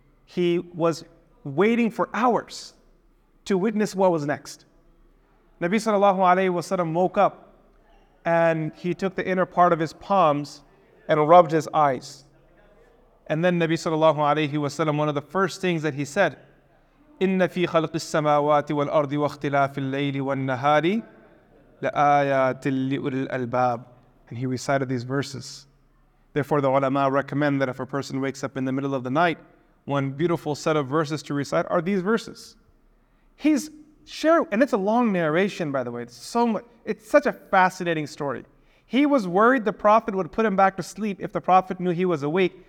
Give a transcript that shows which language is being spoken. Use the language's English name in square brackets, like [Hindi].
[English] He was waiting for hours to witness what was next. Nabi sallallahu alaihi wasallam woke up and he took the inner part of his palms and rubbed his eyes. And then Nabi sallallahu alayhi wa sallam, one of the first things that he said [Arabic] إن في خلق السماوات والأرض واختلاف الليل والنهار لآيات لأولي الألباب. [English] And he recited these verses. Therefore, the ulama recommend that if a person wakes up in the middle of the night, one beautiful set of verses to recite are these verses. He's sharing, and it's a long narration, by the way. It's such a fascinating story. He was worried the Prophet would put him back to sleep if the Prophet knew he was awake.